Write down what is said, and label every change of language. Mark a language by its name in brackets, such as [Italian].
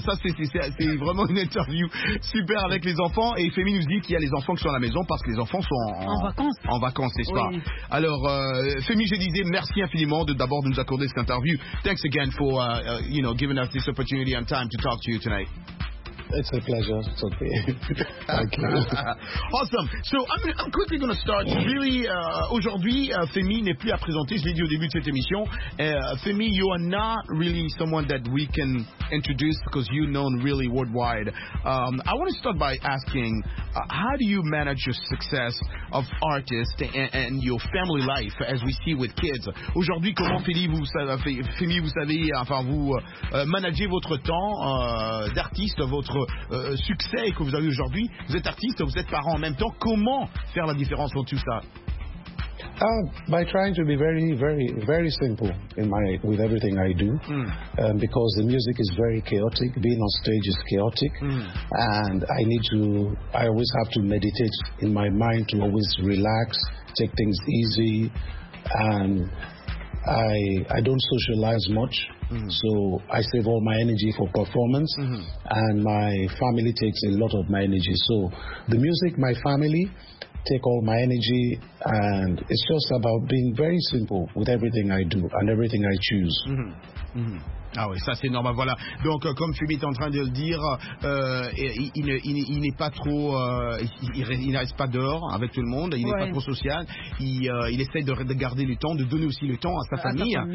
[French] Ça, c'est vraiment une interview super avec les enfants. Et Femi nous dit qu'il y a les enfants qui sont à la maison parce que les enfants sont en vacances, n'est-ce pas? Alors, Femi, je disais merci infiniment d'abord de nous accorder cette interview. [English] Thanks again for giving us this opportunity and time to talk to you tonight. It's a pleasure. It's okay. Thank you. Awesome. So I'm quickly going to start. Really, [French] aujourd'hui, Femi n'est plus à présenter. Je l'ai dit au début de cette émission. [English] Femi, you are not really someone that we can introduce because you're known really worldwide. I want to start by asking, how do you manage your success of artists and your family life as we see with kids? [French] Aujourd'hui, comment Femi, vous savez, enfin vous managez votre temps d'artiste, votre succès que vous avez aujourd'hui, vous êtes artiste, vous êtes parent en même temps, comment faire la différence dans tout ça? [English] By trying to be very, very, very simple with everything I do, because the music is very chaotic, being on stage is chaotic, and I always have to meditate in my mind to always relax, take things easy, and I don't socialize much. Mm-hmm. So I save all my energy for performance, and my family takes a lot of my energy. So the music, my family take all my energy, and it's just about being very simple with everything I do and everything I choose. Mm-hmm. [French] Mm-hmm. Ah oui, ça c'est normal, voilà. Donc comme Femi est en train de le dire, il reste pas dehors avec tout le monde, il n'est pas trop social, il essaie de garder le temps, de donner aussi le temps à sa famille,